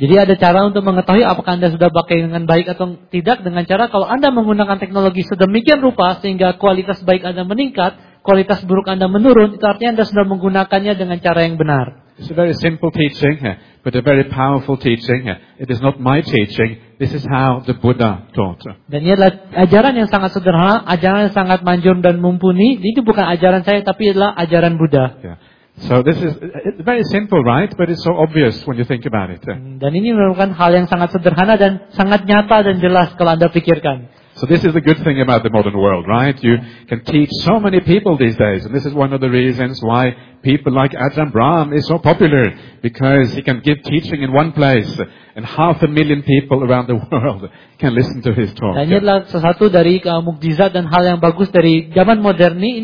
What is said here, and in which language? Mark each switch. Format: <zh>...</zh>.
<id>Jadi ada cara untuk mengetahui apakah Anda sudah pakai dengan baik atau tidak dengan cara kalau Anda menggunakan teknologi sedemikian rupa sehingga kualitas baik Anda meningkat, kualitas buruk Anda menurun, itu artinya Anda sudah menggunakannya dengan cara yang benar.</id> <en>It's a very simple teaching, but a very powerful teaching. It is not my teaching. This is how the Buddha taught.</en> <id>Dan ini adalah ajaran yang sangat sederhana, ajaran yang sangat manjur dan mumpuni. Ini bukan ajaran saya, tapi adalah ajaran Buddha. Yeah.</id> <en>So this is very simple, right? But it's so obvious when you think about it.</en> <id>Dan ini merupakan hal yang sangat sederhana dan sangat nyata dan jelas kalau Anda pikirkan.</id> <en>So this is the good thing about the modern world, right? You can teach so many people these days, and this is one of the reasons why people like Ajahn Brahm is so popular, because he can give teaching in one place, and 500,000 people around the world can listen to his talk.</en> <id>Dan ini adalah sesuatu dari mukjizat dan hal yang bagus dari zaman modern ini.</id>